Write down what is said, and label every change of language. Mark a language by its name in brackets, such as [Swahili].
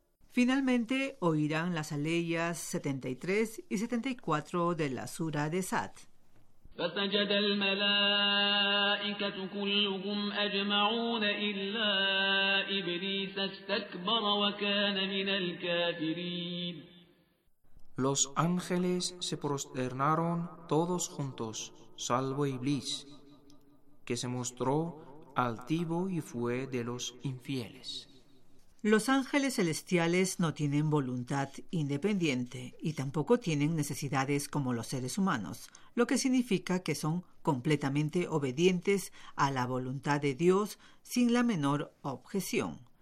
[Spanish] Finalmente oirán las aleyas 73 y 74 de la sura de Sad. [Arabic] فسجد الملائكة كلهم أجمعون إلا إبليس استكبر وكان من الكافرين. [Spanish] Los ángeles se prosternaron todos juntos, salvo Iblis, que se mostró altivo y fue de los infieles. Los ángeles celestiales no tienen voluntad independiente y tampoco tienen necesidades como los seres humanos, lo que significa que son completamente obedientes a la voluntad de Dios sin la menor objeción.